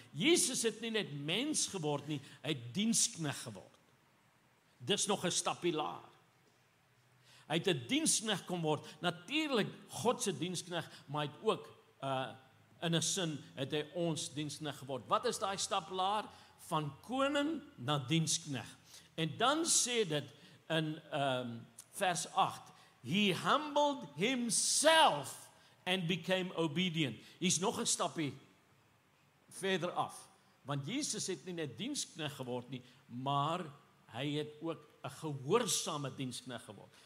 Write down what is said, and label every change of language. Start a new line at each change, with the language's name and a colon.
Afrikaans: Jesus het nie net mens geword nie, hy het diensknecht geword. Dis nog 'n stapie laer. Hy het 'n diensknecht kon word, natuurlijk God se diensknecht, maar hy het ook, in 'n sin, het hy ons diensknecht geword. Wat is daai stap laer? Van koning na diensknecht. En dan sê dit in vers 8,
English: he humbled himself and became obedient.
Afrikaans: Hy's nog 'n stapie verder af. Want Jesus het nie net diensknegt geword nie, maar hy het ook 'n gehoorsame diensknegt geword.